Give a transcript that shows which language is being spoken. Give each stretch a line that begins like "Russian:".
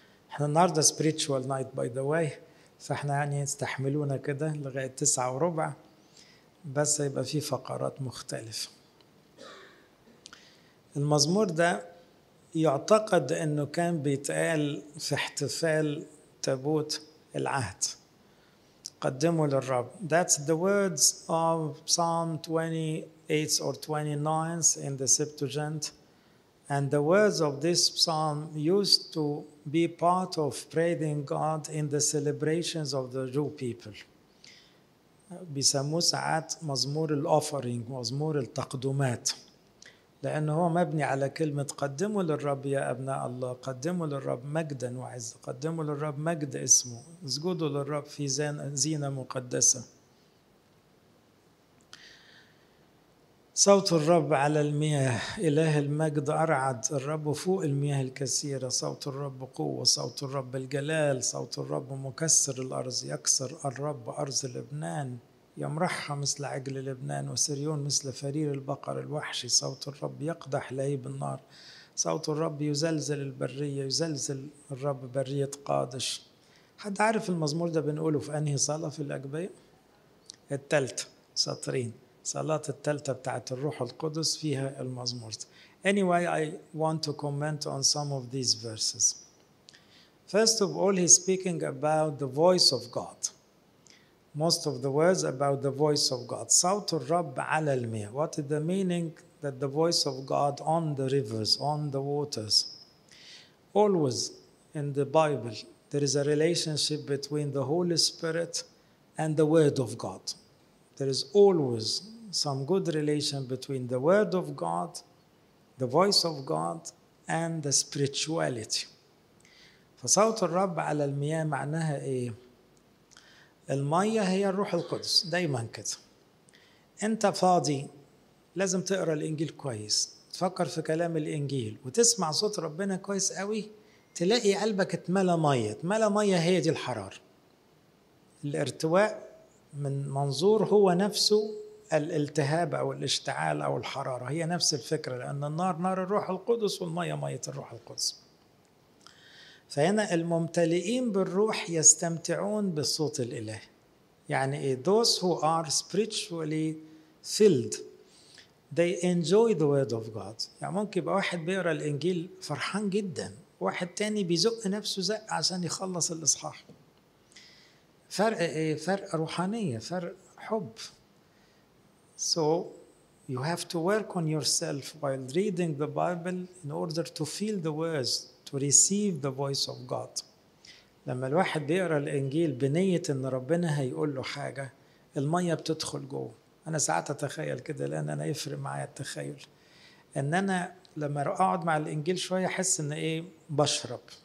Arabic: احنا النهاردة
English: spiritual night by the way،
Arabic: فاحنا يعني استحملونا كده لغاية 9:15، بس يبقى في فقرات مختلفة. المزمور ده يعتقد انه كان بيتقال في احتفال تابوت العهد، قدمه للرب.
English: That's the words of Psalm 28 or 29 in the Septuagint. And the words of this psalm used to be part of praising God in the celebrations of the Jew people.
Arabic: بيسموه ساعات مزمور الأوفرينج، مزمور التقدمات، لأنه هو مبني على كلمة قدموا للرب يا أبناء الله، قدموا للرب مجدا وعز، قدموا للرب مجد اسمه، اسجدوا للرب في زينة مقدسة. صوت الرب على المياه، إله المجد أرعد، الرب فوق المياه الكثيرة، صوت الرب قوة، صوت الرب الجلال، صوت الرب مكسر الأرض، يكسر الرب أرض لبنان، يمرحها مثل عجل لبنان وسريون مثل فرير البقر الوحشي، صوت الرب يقدح لهيب النار، صوت الرب يزلزل البرية، يزلزل الرب برية قادش. حد عارف المزمور ده بنقوله في أنهي صلاة في الأجبية؟ الثالثة سطرين، صلاة الثالثة بتاعت الروح القدس فيها المزمور.
English: Anyway, I want to comment on some of these verses. First of all, he's speaking about the voice of God. Most of the words about the voice of God.
Arabic: صوت الرب على المياه.
English: What is the meaning that the voice of God on the rivers, on the waters? Always in the Bible, there is a relationship between the Holy Spirit and the Word of God. There is always some good relation between the Word of God, the voice of God, and the spirituality.
Arabic: فصوت الرب على المياه معناها إيه؟ المية هي الروح القدس دايما كده. أنت فاضي لازم تقرأ الإنجيل كويس، تفكر في كلام الإنجيل وتسمع صوت ربنا كويس قوي، تلاقي قلبك اتملى مية. اتملى مية هي دي الحرارة. الارتواء من منظور هو نفسه الالتهاب أو الاشتعال أو الحرارة، هي نفس الفكرة، لأن النار نار الروح القدس والمية مية الروح القدس. فهنا الممتلئين بالروح يستمتعون بالصوت الإله. يعني
English: those who are spiritually filled, they enjoy the word of God.
Arabic: يعني ممكن يبقى واحد بيقرأ الإنجيل فرحان جدا، واحد تاني بيزق نفسه زق عشان يخلص الإصحاح. فرق إيه؟ فرق روحانية، فرق حب.
English: So you have to work on yourself while reading the Bible in order to feel the words, to receive the voice of God.
Arabic: لما الواحد بيقرأ الإنجيل بنية إن ربنا هيقول له حاجة، المية بتدخل جوه. أنا ساعات أتخيل كده، لأن أنا يفرق معايا التخيل، إن أنا لما أقعد مع الإنجيل شوية أحس إن إيه، بشرب.